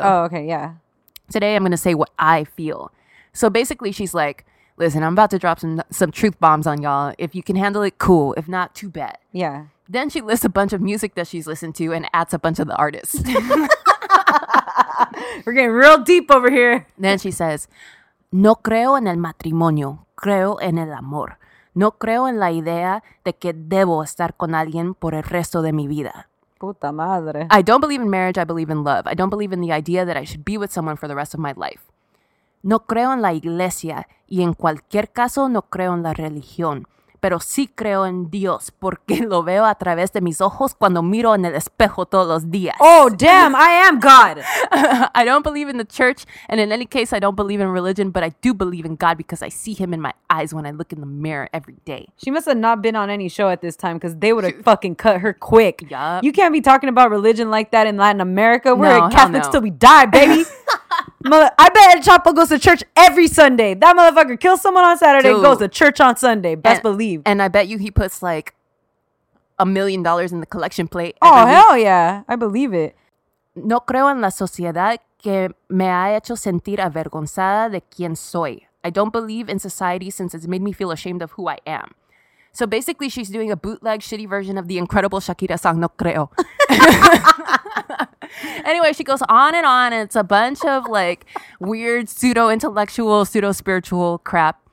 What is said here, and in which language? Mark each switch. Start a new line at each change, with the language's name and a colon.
English: Oh, okay, yeah. Today I'm going to say what I feel. So basically she's like, listen, I'm about to drop some truth bombs on y'all. If you can handle it, cool. If not, too bad. Yeah. Then she lists a bunch of music that she's listened to and adds a bunch of the artists. We're getting real deep over here. Then she says,
Spanish: No creo en el matrimonio, creo en el amor. No creo en la idea de que debo estar con alguien por el resto de mi vida. Puta madre.
English: I don't believe in marriage, I believe in love. I don't believe in the idea that I should be with someone for the rest of my life.
Spanish: No creo en la iglesia, y en cualquier caso no creo en la religión. Pero sí creo en Dios, porque lo veo a través de mis ojos cuando miro en el espejo todos los días.
English: Oh, damn, I am God. I don't believe in the church, and in any case, I don't believe in religion, but I do believe in God because I see him in my eyes when I look in the mirror every day. She must have not been on any show at this time, because they would have fucking cut her quick. Yep. You can't be talking about religion like that in Latin America. We're Catholics till we die, baby. I bet El Chapo goes to church every Sunday. That motherfucker kills someone on Saturday, dude, goes to church on Sunday. Best believe. And I bet you he puts like $1 million in the collection plate. Oh, hell yeah. I believe it.
Spanish: No creo en la sociedad que me ha hecho sentir avergonzada de quien soy.
English: I don't believe in society since it's made me feel ashamed of who I am. So basically she's doing a bootleg shitty version of the incredible Shakira song, No Creo. Anyway, she goes on and on, and it's a bunch of like weird pseudo-intellectual, pseudo-spiritual crap.